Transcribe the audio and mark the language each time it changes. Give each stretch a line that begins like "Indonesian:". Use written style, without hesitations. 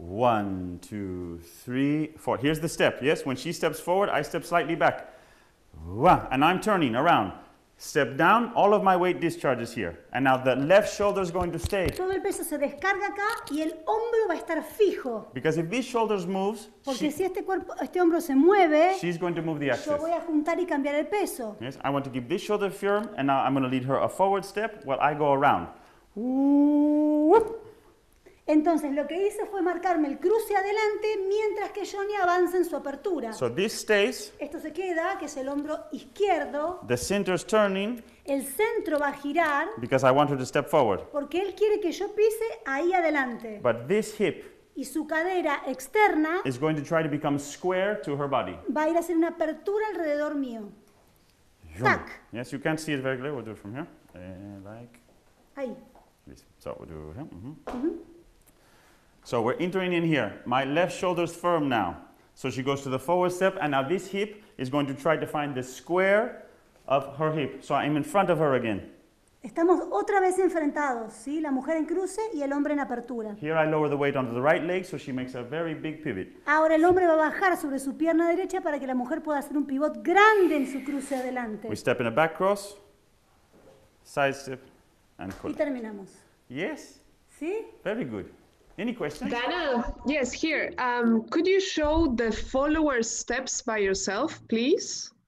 English: One, two, three, four. Here's the step. Yes, when she steps forward, I step slightly back. And I'm turning around. Step down, all of my weight discharges here. And now the left shoulder is going to stay.
Spanish: Todo el peso se descarga acá y el hombro va a estar fijo.
English: Because if these shoulders moves,
Spanish: porque si este cuerpo, este hombro se mueve,
English: she's going to move the axis.
Spanish: Yo voy a juntar y cambiar el peso.
English: Yes, I want to keep this shoulder firm, and now I'm going to lead her a forward step while I go around. Whoop.
Spanish: Entonces lo que hice fue marcarme el cruce adelante mientras que Johnny avanza en su apertura.
English: So this stays.
Spanish: Esto se queda, que es el hombro izquierdo.
English: The center's turning.
Spanish: El centro va a girar.
English: Because I want her to step forward.
Spanish: Porque él quiere que yo pise ahí adelante.
English: But this hip.
Spanish: Y su cadera externa.
English: Is going to try to become square to her body.
Spanish: Va a ir a hacer una apertura alrededor mío. Tac.
English: Yes, you can't see it very clearly. We'll do it from here. Like.
Spanish: Ahí.
English: So we'll do it here. Mm-hmm. Mm-hmm. So we're entering in here. My left shoulder's firm now. So she goes to the forward step, and now this hip is going to try to find the square of her hip. So I'm in front of her again.
Spanish: Estamos otra vez enfrentados, ¿sí? La mujer en cruce y el hombre en apertura.
English: Here I lower the weight onto the right leg, so she makes a very big pivot.
Spanish: Ahora el hombre va a bajar sobre su pierna derecha para que la mujer pueda hacer un pivot grande en su cruce adelante.
English: We step in a back cross, side step, and
Spanish: pull. Y terminamos.
English: Yes.
Spanish: ¿Sí?
English: Very good. Any questions? Dana, yes, here. Could you show the follower steps by yourself, please?